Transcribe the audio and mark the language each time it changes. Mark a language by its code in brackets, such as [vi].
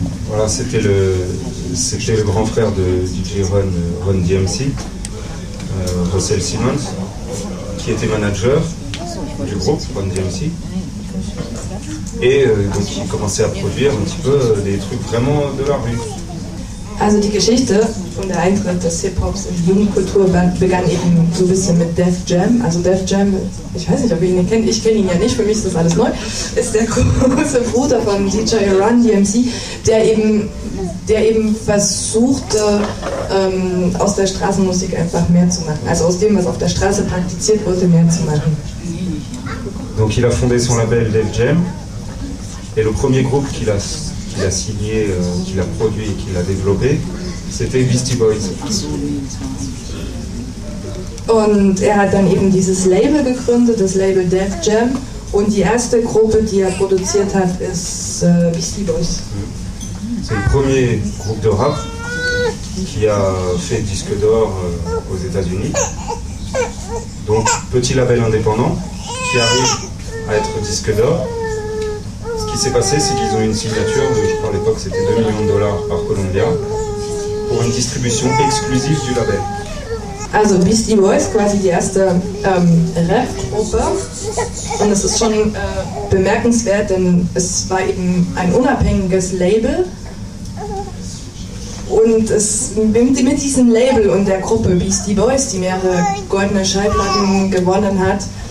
[fr] Voilà, c'était le grand frère de DJ Run DMC, Russell Simmons, qui était manager du groupe Run DMC, et donc il commençait à produire un petit peu des trucs vraiment de la rue. [de] Also die Geschichte von der Eintritt des Hip-Hops in die Jugendkultur begann eben so ein bisschen mit Def Jam. Also Def Jam, ich weiß nicht, ob ihr ihn kennt, ich kenne ihn ja nicht, für mich ist das alles neu, ist der große Bruder von DJ Run, DMC, der eben versuchte, aus der Straßenmusik einfach mehr zu machen. Also aus dem, was auf der Straße praktiziert wurde, mehr zu machen. [fr] Donc il a fondé son label Def Jam. Et le premier groupe qu'il a... qu'il a signé, qu'il a produit et qu'il a développé, c'était Beastie Boys. [de] Und er hat dann eben dieses Label gegründet, das Label Def Jam, und die erste Gruppe, die er produziert hat, ist Beastie Boys. [fr] C'est le premier groupe de rap qui a fait disque d'or aux États-Unis. Donc, petit label indépendant qui arrive à être disque d'or. Ce qui s'est passé, c'est qu'ils ont eu une signature de, je crois à l'époque, c'était 2 millions de dollars par Columbia, pour une distribution exclusive du label. [de] Also Beastie Boys, quasi die erste Rap-Gruppe. Und es ist schon bemerkenswert, denn es war eben ein unabhängiges Label. Und es mit diesem Label und der Gruppe Beastie Boys, die mehrere goldene Schallplatten gewonnen hat,